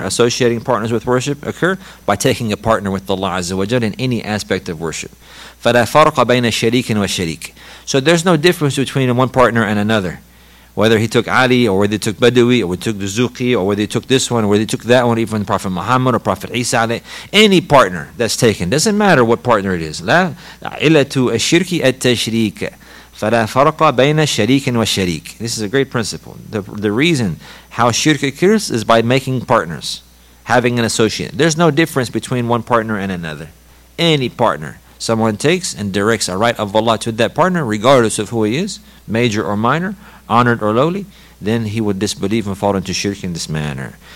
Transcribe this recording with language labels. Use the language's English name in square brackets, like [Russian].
[English] Associating partners with worship occur? By taking a partner with Allah Azza wa Jalla in any aspect of worship. [Arabic] فَلَا فَرْقَ بَيْنَ الشَّرِيكٍ وَالشَّرِيكٍ [English] So there's no difference between one partner and another. Whether he took Ali, or whether he took Badawi, or whether he took Zuqi, or whether he took this one, or whether he took that one, even Prophet Muhammad or Prophet Isa, any partner that's taken, doesn't matter what partner it is. [Arabic] لَا إِلَّةُ الشِّرْكِ التَّشْرِيكَ فَلَا فَرْقَ بَيْنَ شَرِيكٍ وَشَرِيكٍ [English] This is a great principle. The reason how shirk occurs is by making partners, having an associate. There's no difference between one partner and another. Any partner someone takes and directs a right of Allah to that partner, regardless of who he is, major or minor, honored or lowly, then he would disbelieve and fall into shirk in this manner.